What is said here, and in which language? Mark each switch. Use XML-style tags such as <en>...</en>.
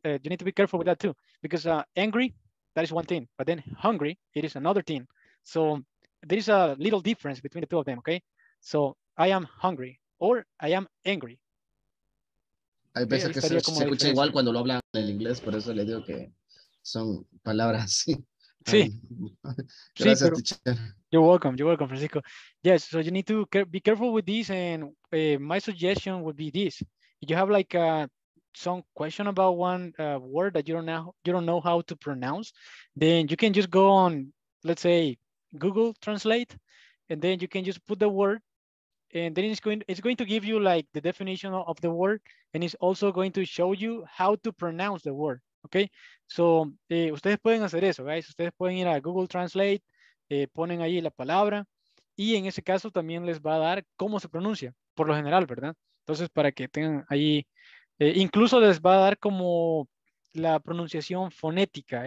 <en>You need to be careful with that too, because angry, that is one thing, but then hungry, it is another thing. So there is a little difference between the two of them. Okay, so I am hungry or I am angry.</en> <es>Hay veces que se escucha igual cuando lo hablan en inglés, por eso le digo que son palabras así. Sí. Gracias, sí, pero, teacher.</es> <en>You're welcome, Francisco. Yes, so you need to be careful with this, and my suggestion would be this. You have like some question about one word that you don't know how to pronounce, then you can just go on, let's say, Google Translate, and then you can just put the word, and then it's going to give you like the definition of the word, and it's also going to show you how to pronounce the word.</en> <es>Okay, so ustedes pueden hacer eso, guys. Ustedes pueden ir a Google Translate, ponen allí la palabra, y en ese caso también les va a dar cómo se pronuncia, por lo general, ¿verdad? Entonces, para que tengan ahí, incluso les va a dar como la pronunciación fonética.</es>